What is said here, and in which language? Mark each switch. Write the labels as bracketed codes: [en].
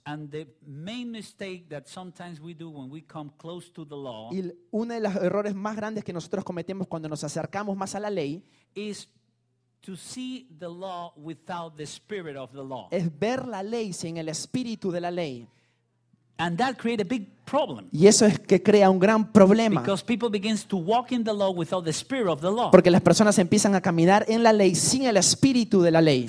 [en] And the main mistake that sometimes we do when we come close to the law. [es] Y uno de los errores más grandes que nosotros cometemos cuando nos acercamos más a la ley [en] is to see the law without the spirit of the law. [es] Es ver la ley sin el espíritu de la ley. [en] And that creates a big problem. [es] Y eso es que crea un gran problema. [en] Because people begin to walk in the law without the spirit of the law. [es] Porque las personas empiezan a caminar en la ley sin el espíritu de la ley.